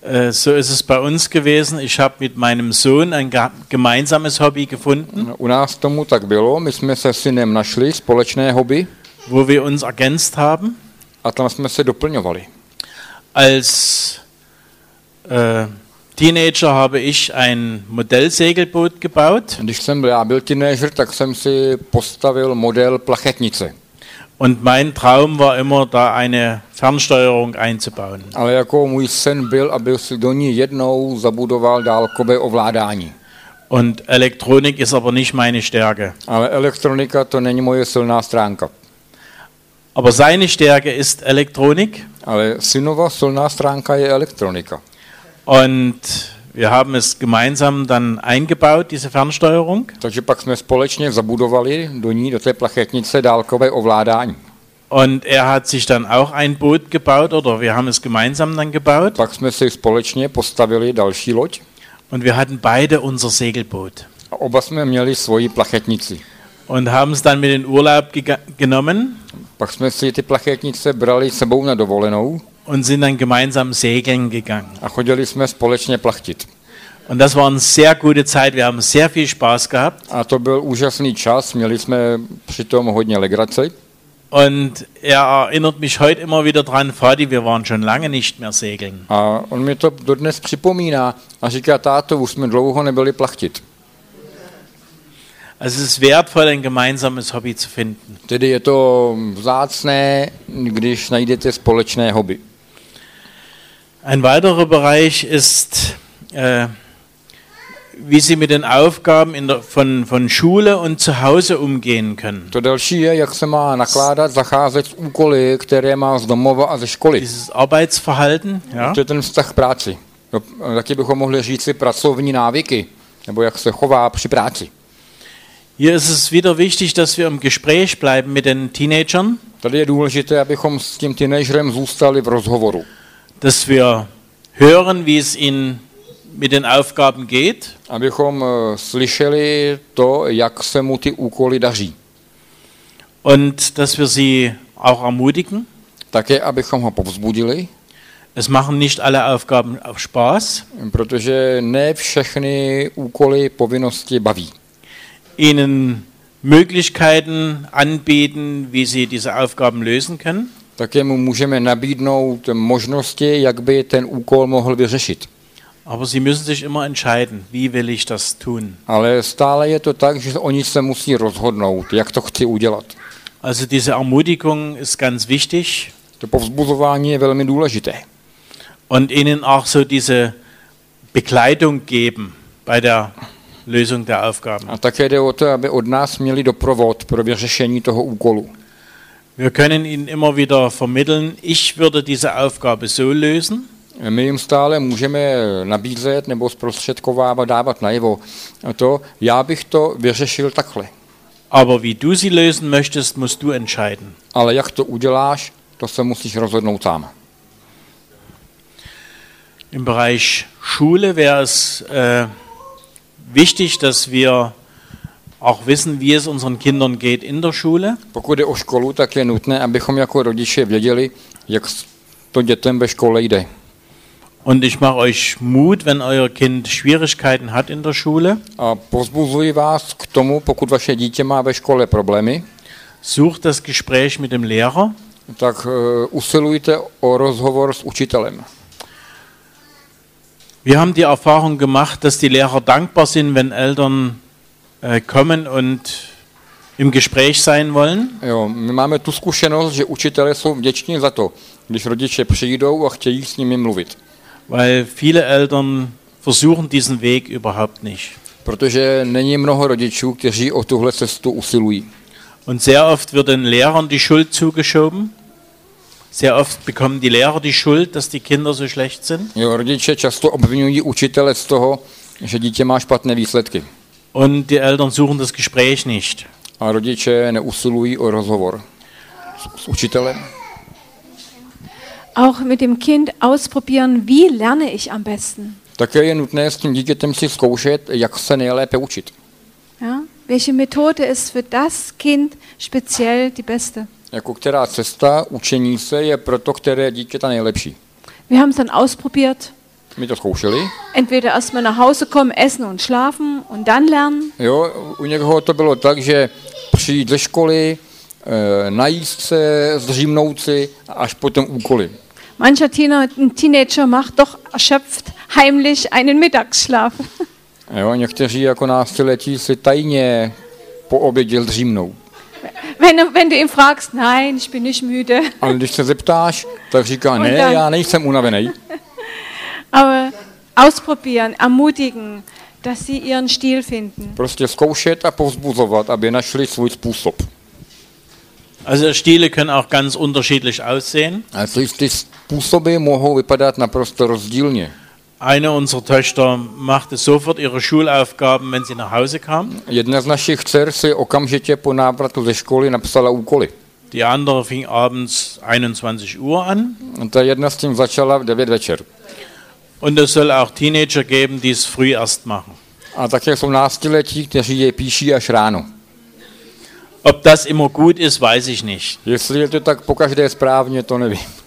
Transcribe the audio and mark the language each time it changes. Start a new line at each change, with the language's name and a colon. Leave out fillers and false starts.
German: So ist es bei uns gewesen. Ich habe mit meinem Sohn ein gemeinsames Hobby gefunden.
Czech: U nás tomu tak bylo. My jsme se synem našli společné hobby.
German: Wo wir uns ergänzt haben.
Czech: A tam jsme se doplňovali.
German: Als Teenager habe ich ein Modellsegelboot gebaut.
Czech: Když jsem byl teenager, tak jsem si postavil model plachetnice.
German: Und mein Traum war immer, da eine Fernsteuerung einzubauen.
Czech: Ale jako můj sen byl, aby si do ní jednou zabudoval dálkové ovládání.
German: Und Elektronik ist aber nicht meine Stärke.
Czech: Ale elektronika to není moje silná stránka.
German: Aber seine Stärke ist Elektronik.
Czech: Ale synova silná stránka je elektronika.
German: Und wir haben es gemeinsam dann eingebaut, diese Fernsteuerung.
Czech: Takže pak jsme společně zabudovali do ní, do té plachetnice, dálkové ovládání.
German: Und er hat sich dann auch ein Boot gebaut, oder wir haben es gemeinsam dann gebaut.
Czech: Pak jsme si společně postavili další loď.
German: Und wir hatten beide unser Segelboot.
Czech: A oba jsme měli svoji plachetnici.
German: Und haben es dann mit in Urlaub genommen.
Czech: Pak jsme si ty plachetnice brali sebou na dovolenou.
German: Und sind dann gemeinsam segeln gegangen.
Czech: A chodili jsme společně plachtit.
German: Und das war eine sehr gute Zeit, wir haben sehr viel Spaß gehabt.
Czech: A to byl úžasný čas, měli jsme přitom hodně legrace.
German: Und er erinnert mich heute immer wieder dran, Vati, wir waren schon lange nicht mehr segeln.
Czech: A on mi to dodnes připomíná a říká, táto, už jsme dlouho nebyli plachtit.
German: Also es ist wertvoll, ein gemeinsames Hobby zu finden.
Czech: Tedy je to vzácné, když najdete společné hobby.
German: Ein weiterer Bereich ist, wie Sie mit den Aufgaben in der, von Schule und zu Hause umgehen können.
Czech: To další je, jak se má nakládat, zacházet s úkoly, které má z domova a ze školy.
German: Dieses Arbeitsverhalten, ja?
Czech: To je ten vztah k práci. No, taky bychom mohli říct si pracovní návyky, nebo jak se chová při práci.
German: Hier ist es wieder wichtig, dass wir im Gespräch bleiben mit den Teenagern.
Czech: Tady je důležité, abychom s tím teenagerem zůstali v rozhovoru.
German: Dass wir hören, wie es ihnen mit den Aufgaben geht.
Czech: Abychom slyšeli to, jak se mu ty úkoly daří.
German: Und dass wir sie auch ermutigen.
Czech: Také, abychom ho povzbudili.
German: Es machen nicht alle Aufgaben auf Spaß.
Czech: Protože ne všechny úkoly, povinnosti baví.
German: Ihnen Möglichkeiten anbieten, wie sie diese Aufgaben lösen können.
Czech: Také mu můžeme nabídnout možnosti, jak by ten úkol mohl vyřešit.
German: Aber sie müssen sich immer entscheiden, wie will ich das tun.
Czech: Ale stále je to tak, že oni se musí rozhodnout, jak to chci udělat.
German: Also diese Ermutigung ist ganz wichtig.
Czech: To povzbuzování je velmi důležité.
German: Und ihnen auch so diese Begleitung geben bei der Lösung der Aufgaben.
Czech: A také jde o to, aby od nás měli doprovod pro vyřešení toho úkolu.
German: Wir können ihnen immer wieder vermitteln, ich würde diese Aufgabe so lösen.
Czech: My jim stále můžeme nabízet nebo zprostředkovávat, dávat najevo to, já bych to vyřešil takhle.
German: Aber wie du sie lösen möchtest, musst du entscheiden.
Czech: Ale jak to uděláš, to se musíš rozhodnout sám.
German: Im Bereich Schule wäre es wichtig, dass wir auch wissen, wie es unseren Kindern geht in der Schule.
Czech: Pokud jde o školu, tak je nutné, abychom jako rodiče věděli, jak to dětem ve škole jde.
German: Und ich mache euch Mut, wenn euer Kind Schwierigkeiten hat in der Schule.
Czech: A pozbuzuji vás k tomu, pokud vaše dítě má ve škole problémy.
German: Sucht das Gespräch mit dem Lehrer.
Czech: Tak usilujte o rozhovor s učitelem.
German: Wir haben die Erfahrung gemacht, dass die Lehrer dankbar sind, wenn Eltern kommen und im Gespräch sein wollen.
Czech: Jo, my máme tu zkušenost, že učitelé jsou vděční za to, když rodiče přijdou a chtějí s nimi mluvit.
German: Weil viele Eltern versuchen diesen Weg überhaupt nicht.
Czech: Protože není mnoho rodičů, kteří o tuhle cestu usilují.
German: Und sehr oft wird den Lehrern die Schuld zugeschoben. Sehr oft bekommen die Lehrer die Schuld, dass die Kinder so schlecht sind.
Czech: Jo, rodiče často obvinují učitele z toho, že dítě má špatné výsledky.
German: Und die Eltern suchen das Gespräch nicht.
Czech: A rodiče neusilují o rozhovor s učitelem.
German: Auch mit dem Kind ausprobieren, wie lerne ich am besten.
Czech: Také je nutné s tím dítětem si zkoušet, jak se nejlépe učit.
German: Ja, welche Methode ist für das Kind speziell die beste?
Czech: Jako která cesta učení se je pro to, které dítě ta nejlepší.
German: Wir haben es dann ausprobiert.
Czech: My to zkoušeli.
German: Entweder erstmal nach Hause kommen, essen und schlafen und dann lernen.
Czech: Jo, u někoho to bylo tak, že přijít ze školy, najíst se, zřímnout si a až potom úkoly.
German: Mancher Teenager macht doch erschöpft heimlich einen Mittagsschlaf.
Czech: Jo, někteří jako násiletí si tajně po obědě zřímnou.
German: Wenn du ihn fragst, nein, ich bin nicht müde.
Czech: Ale když se zeptáš, tak říká, ne,
German: dann,
Czech: já nejsem unavený.
German: Aber ausprobieren, ermutigen, dass sie ihren Stil finden.
Czech: Prostě zkoušet a povzbuzovat, aby našli svůj způsob.
German: Also Stile können auch ganz unterschiedlich aussehen. Also
Czech: ty způsoby mohou vypadat naprosto rozdílně.
German: Eine unserer Töchter machte sofort ihre Schulaufgaben, wenn sie nach Hause kam.
Czech: Jedna z našich dcer si okamžitě po návratu ze školy napsala úkoly.
German: Die andere fing abends 21 Uhr an. Und
Czech: ta jedna s tím začala v 9 večer.
German: Und es soll auch Teenager geben, die es früh erst machen.
Czech: A také jsou násiletí, kteří je píší až ráno.
German: Ob das immer gut ist, weiß ich nicht.
Czech: Jestli je to tak pokaždé správně, to nevím.